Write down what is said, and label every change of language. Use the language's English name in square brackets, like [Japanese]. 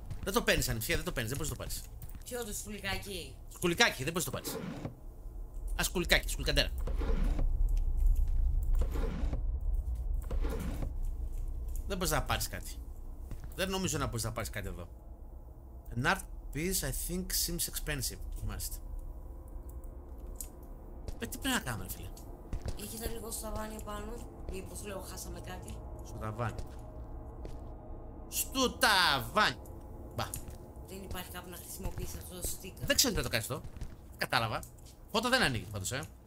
[Greek] Δεν το παίρνει, ανηφία, δεν το παίρνει. Δεν μπορεί να το πάρει. Ποιο το σκουλικάκι. Σκουλικάκι, δεν μπορεί να το πάρει. Α, σκουλικάκι, σκουλικαντέρα. Δεν μπορεί να πάρει κάτι. Δεν νομίζω να μπορεί να πάρει κάτι εδώ. [English] An art piece, I think, seems expensive. [Greek] Μάλιστα. Με τι πρέπει να κάνουμε, φίλε. Είχε ένα λίγο σταβάνι πάνω. Μήπως λέω χάσαμε κάτι. Στο ταβάνι. Στο ταβάνι. Μπα. Δεν υπάρχει κάπου να χρησιμοποιήσει αυτό το στίκ. Δεν ξέρω τι θα το κάνει αυτό. Κατάλαβα. Πότε δεν ανοίγει πάντως, ε.